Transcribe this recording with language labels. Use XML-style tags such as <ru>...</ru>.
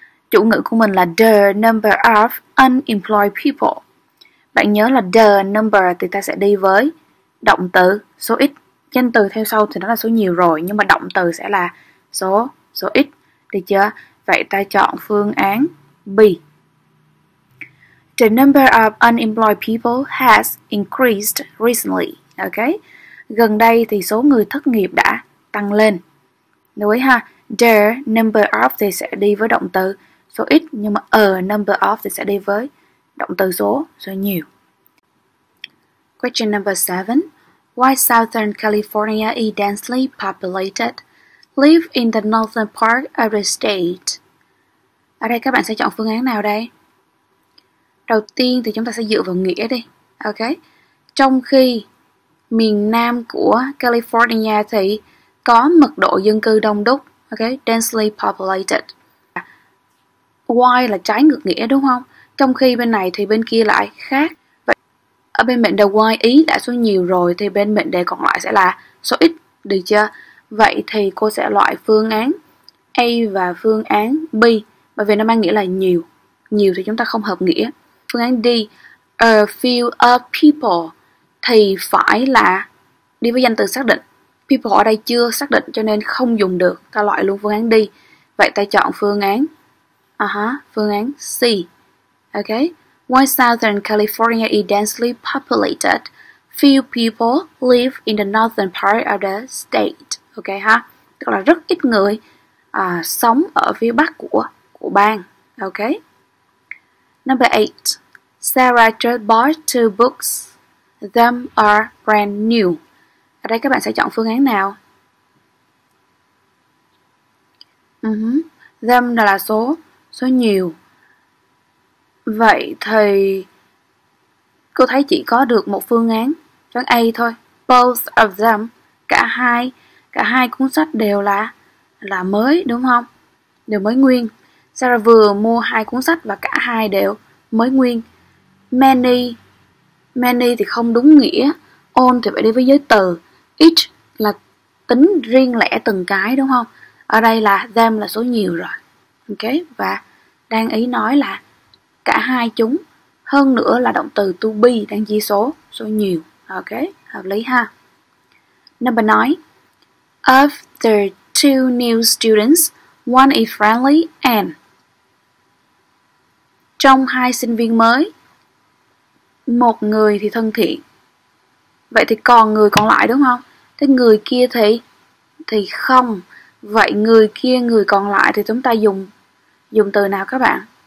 <vi>Chủ ngữ của mình là</vi> <en>the number of unemployed people.</en> <vi>Bạn nhớ là the number thì ta sẽ đi với động từ số ít. Danh từ theo sau thì nó là số nhiều rồi, nhưng mà động từ sẽ là số ít. Được chưa? Vậy ta chọn phương án B.</vi> <en>The number of unemployed people has increased recently. Ok.</en> <vi>Gần đây thì số người thất nghiệp đã tăng lên. Lưu ý ha. The number of thì sẽ đi với động từ số ít, nhưng mà a number of thì sẽ đi với động từ số nhiều.</vi> <en>Question number 7. Why Southern California is densely populated? Live in the northern part of the state.</en> <vi>Ở đây các bạn sẽ chọn phương án nào đây? Đầu tiên thì chúng ta sẽ dựa vào nghĩa đi. Ok. Trong khi miền Nam của California thì có mật độ dân cư đông đúc. Ok.</vi> <en>Densely populated.</en> <vi>Why là trái ngược nghĩa, đúng không? Trong khi bên này thì bên kia lại khác. Vậy ở bên mệnh đề why ý đã số nhiều rồi thì bên mệnh đề còn lại sẽ là số ít. Được chưa? Vậy thì cô sẽ loại phương án A và phương án B. Bởi vì nó mang nghĩa là nhiều. Nhiều thì chúng ta không hợp nghĩa. Phương án D.</vi> <en>A few of people.</en> <vi>thì phải là đi với danh từ xác định. People ở đây chưa xác định cho nên không dùng được. Ta loại luôn phương án đi. Vậy ta chọn phương án phương án C. Ok.</vi> <en>Why Southern California is densely populated, few people live in the northern part of the state. Ok ha.</en> <vi>Tức là rất ít người sống ở phía bắc của bang.</vi> <en>Ok. Number 8. Sarah just bought two books. Them are brand new.</en> <vi>Ở đây các bạn sẽ chọn phương án nào? Them là số nhiều. Vậy thì cô thấy chỉ có được một phương án, phương A thôi.</vi> <en>Both of them,</en> <vi>cả hai cuốn sách đều là mới, đúng không? Đều mới nguyên. Sarah vừa mua hai cuốn sách và cả hai đều mới nguyên. Many thì không đúng nghĩa. All thì phải đi với giới từ. Each là tính riêng lẻ từng cái, đúng không? Ở đây là them là số nhiều rồi. Ok, và đang ý nói là cả hai chúng, hơn nữa là động từ to be đang chia số nhiều. Ok, hợp lý ha. Number 9.</vi> <en>Of the two new students, one is friendly and.</en> <vi>Trong hai sinh viên mới, một người thì thân thiện. Vậy thì còn người còn lại, đúng không? Thế người kia thì không. Vậy người kia, người còn lại thì chúng ta dùng từ nào các bạn?</vi>